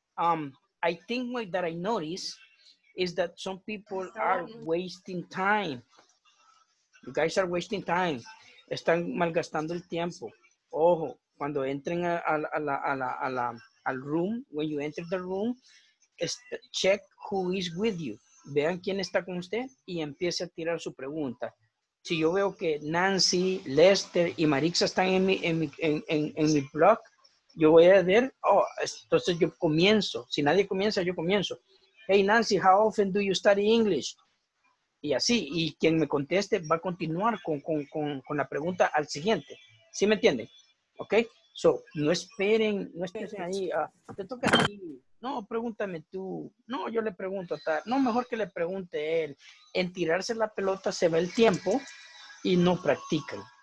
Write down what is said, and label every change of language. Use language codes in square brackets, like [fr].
[en] I think what that I noticed is that some people are wasting time. You guys are wasting time. [es] Están malgastando el tiempo. Ojo, cuando entren al room, [en] when you enter the room, check who is with you. [es] Vean quién está con usted y empiece a tirar su pregunta. Si yo veo que Nancy, Lester y Marixa están en mi blog, yo voy a ver, oh, entonces yo comienzo. Si nadie comienza, yo comienzo. [en] Hey, Nancy, how often do you study English? [es] Y así, y quien me conteste va a continuar con la pregunta al siguiente. ¿Sí me entienden? ¿Ok? So, no esperen ahí. Te toca a ti. No, pregúntame tú. No, yo le pregunto a tal. No, mejor que le pregunte él. En tirarse la pelota se va el tiempo y no practican.